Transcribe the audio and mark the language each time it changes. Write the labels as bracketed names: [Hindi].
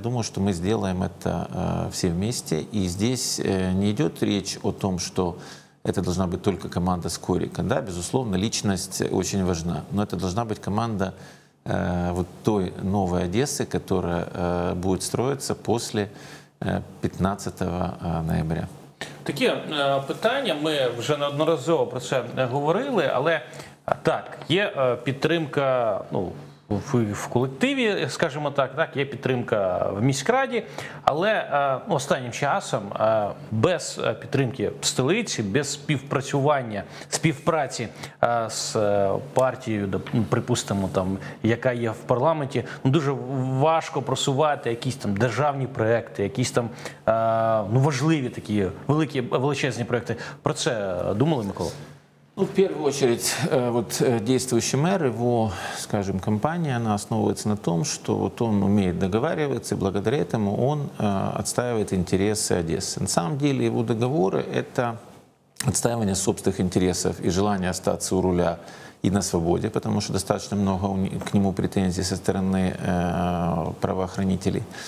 [Russian] Я думаю, что мы сделаем это все вместе. И здесь не идет речь о том, что это должна быть только команда Скорика. Да, безусловно, личность очень важна, но это должна быть команда вот той новой Одессы, которая будет строиться после 15 ноября. [Ukrainian] Такі питання, ми вже неодноразово про це говорили, але так, є підтримка, ну, в колективі, скажімо так, так, є підтримка в міськраді, але останнім часом без підтримки в столиці, без співпраці з партією, припустимо, там, яка є в парламенті, ну, дуже важко просувати якісь там державні проекти, якісь там важливі такі великі, величезні проекти. Про це думали, Микола? [Russian] Ну, в первую очередь, вот действующий мэр, его, скажем, компания, она основывается на том, что вот он умеет договариваться, и благодаря этому он отстаивает интересы Одессы. На самом деле его договоры — это отстаивание собственных интересов и желание остаться у руля и на свободе, потому что достаточно много к нему претензий со стороны правоохранителей.